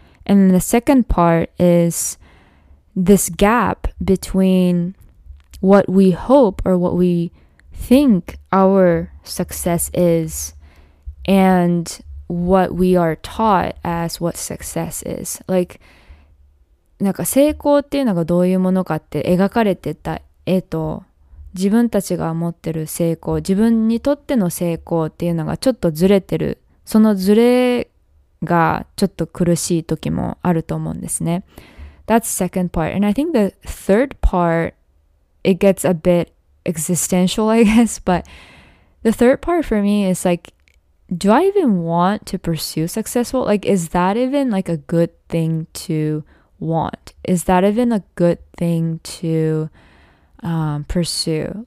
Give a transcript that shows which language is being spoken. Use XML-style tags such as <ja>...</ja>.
<en>And then the second part is this gap between what we hope or what we think our success is and what we are taught as what success is.</en> <ja>Like, なんか成功っていうのがどういうものかって描かれてた絵と自分たちが持ってる成功、自分にとっての成功っていうのがちょっとずれてる。そのずれがちょっと苦しい時もあると思うんですね。</ja> <en>That's second part. And I think the third part, it gets a bit existential, I guess. But the third part for me is like, do I even want to pursue successful? Like, is that even like a good thing to want? Is that even a good thing to... pursue?</en>